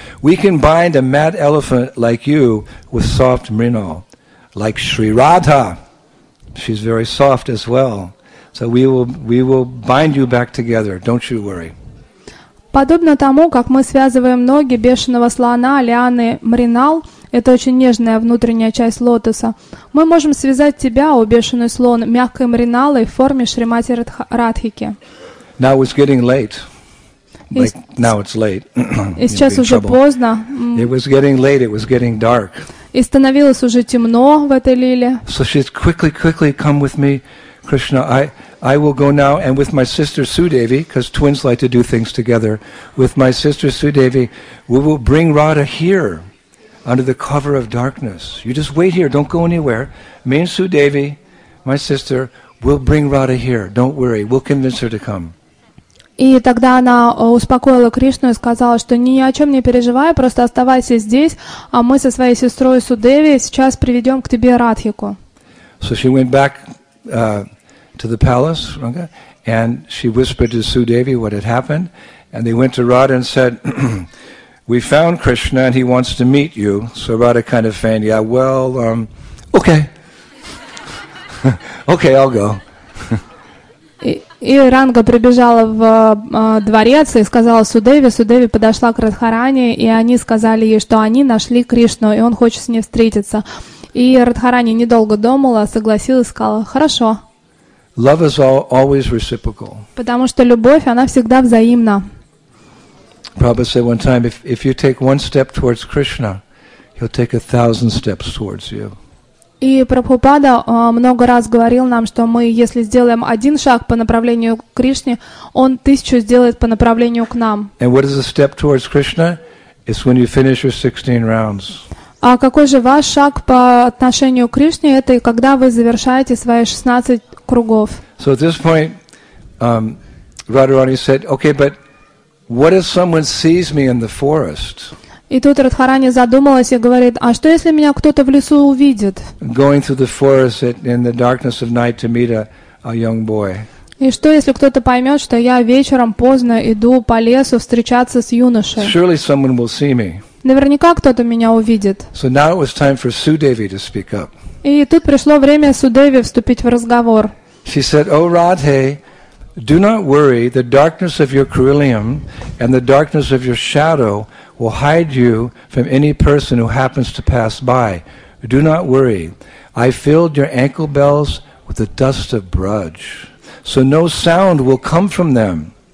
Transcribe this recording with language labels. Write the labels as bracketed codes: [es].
[en] We can bind a mad elephant like you with soft Mrinal, like Sri Radha. She's very soft as well. So we will bind you back together. Don't you worry. [ru] Подобно тому, как мы связываем ноги бешеного слона, лианы, мринал, это очень нежная внутренняя часть лотоса, мы можем связать тебя, о бешеный слон, мягкой мриналой в форме Шримати Радхики. [en] Now it's getting late. Like, now it's late. [ru] И сейчас уже поздно. [en] It was getting late, it was getting dark. [ru] И становилось уже темно в этой лиле. [en] So she's quickly come with me, Krishna. I will go now, and with my sister Sudevi, because twins like to do things together, with my sister Sudevi, we will bring Radha here, under the cover of darkness. You just wait here, don't go anywhere. Me and Sudevi, my sister, will bring Radha here, don't worry, we'll convince her to come. [ru] И тогда она успокоила Кришну и сказала, что ни о чем не переживай, просто оставайся здесь, а мы со своей сестрой Судеви сейчас приведем к тебе Радхику. [en] So she went back to the palace, Ranga, and she whispered to Sudevi what had happened, and they went to Radha and said, we found Krishna and he wants to meet you. So Radha kind of feigned, yeah, well, okay. Okay, I'll go. [ru] И Ранга прибежала в дворец и сказала Судеви, Судеви подошла к Радхарани, и они сказали ей, что они нашли Кришну, и он хочет с ней встретиться. И Радхарани недолго думала, согласилась, сказала, хорошо. [en] Love is always reciprocal. [ru] Потому что любовь, она всегда взаимна. [en] Prabhupada said one time, if you take one step towards Krishna, he'll take 1,000 steps towards you. [ru] И Прабхупада много раз говорил нам, что мы, если сделаем один шаг по направлению к Кришне, Он тысячу сделает по направлению к нам. [en] And what is the step towards Krishna? It's when you finish your 16 rounds. [ru] А какой же ваш шаг по отношению к Кришне? Это когда вы завершаете свои 16 кругов. [en] So at this point, Радхарани said, "Okay, but what if someone sees me in the forest?" [ru] И тут Радхарани задумалась и говорит: а что, если меня кто-то в лесу увидит? [en] Going through the forest in the darkness of night to meet a young boy. [ru] И что, если кто-то поймет, что я вечером поздно иду по лесу встречаться с юношей? [en] Surely someone will see me. [ru] Наверняка кто-то меня увидит. [en] So now it was time for Sudevi to speak up. [ru] И тут пришло время Судеви вступить в разговор. [en] She said, "Oh, Radhe, do not worry. The darkness of your Kurilium and the darkness of your shadow will hide you from any person who happens to pass by. Do not worry. I filled your ankle bells with the dust of Braj, so no sound will come from them.